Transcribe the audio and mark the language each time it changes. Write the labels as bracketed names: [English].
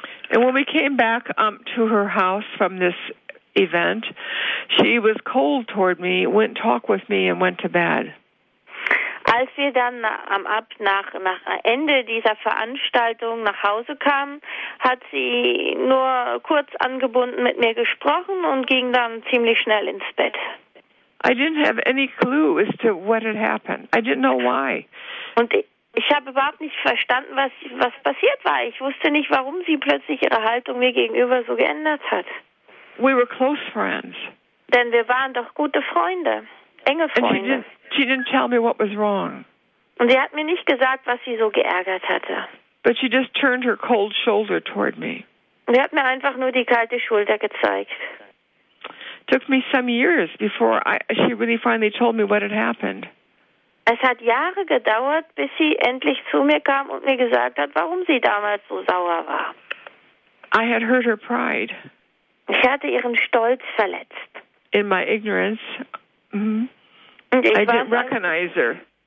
[English] And when we came back to her house from this event, she was cold toward me, wouldn't talk with me, and went to bed. [German] Als wir dann am nach Ende dieser Veranstaltung nach Hause kamen, hat sie nur kurz angebunden mit mir gesprochen und ging dann ziemlich schnell ins Bett. [English] I didn't have any clue as to what had happened. I didn't know why. [German] Und ich habe überhaupt nicht verstanden, was passiert war. Ich wusste nicht, warum sie plötzlich ihre Haltung mir gegenüber so geändert hat. [English] We were close friends. [German] Denn wir waren doch gute Freunde, enge Freunde. [English] And she didn't tell me what was wrong. [German] Und sie hat mir nicht gesagt, was sie so geärgert hatte. [English] But she just turned her cold shoulder toward me. [German] Und sie hat mir einfach nur die kalte Schulter gezeigt. [English] Took me some years before she really finally told me what had happened. [German] Es hat Jahre gedauert, bis sie endlich zu mir kam und mir gesagt hat, warum sie damals so sauer war. [English] I had hurt her pride. [German] Ich hatte ihren Stolz verletzt. [English] In my ignorance, I didn't recognize her.